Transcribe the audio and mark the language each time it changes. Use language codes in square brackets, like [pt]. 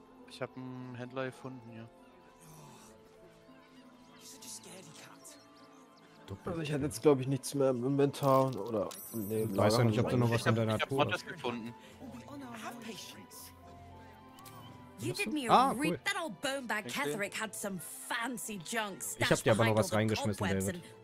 [de] Ich habe einen Händler gefunden, ja. Also ich hatte jetzt, glaube ich, nichts mehr im Inventar oder... Nee, ich weiß ja nicht, ob da noch was in deiner Truhe ist. Ich habe gefunden. [en] You did me a read. That old bone bag Catherick had some fancy junk. [de] Ich habe dir aber noch was reingeschmissen, David.